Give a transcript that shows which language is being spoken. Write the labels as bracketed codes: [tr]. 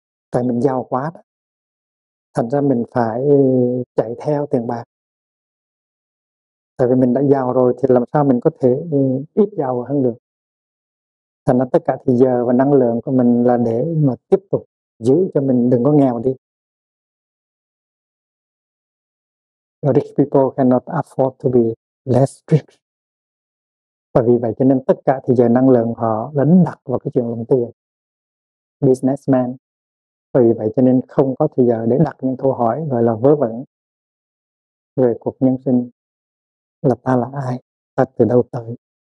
[vi] Tại mình giàu quá đó, thành ra mình phải chạy theo tiền bạc. Tại vì mình đã giàu rồi thì làm sao mình có thể ít giàu hơn được. Thành ra tất cả thời giờ và năng lượng của mình là để mà tiếp tục giữ cho mình đừng có nghèo đi. [en] Rich people cannot afford to be less rich. [vi] Và vì vậy cho nên tất cả thời giờ năng lượng họ lấn đặt vào cái chuyện lòng tiền. Businessman. Và vì vậy cho nên không có thời giờ để đặt những câu hỏi gọi là vớ vẩn về cuộc nhân sinh. Là ta là ai? Ta từ đâu tới?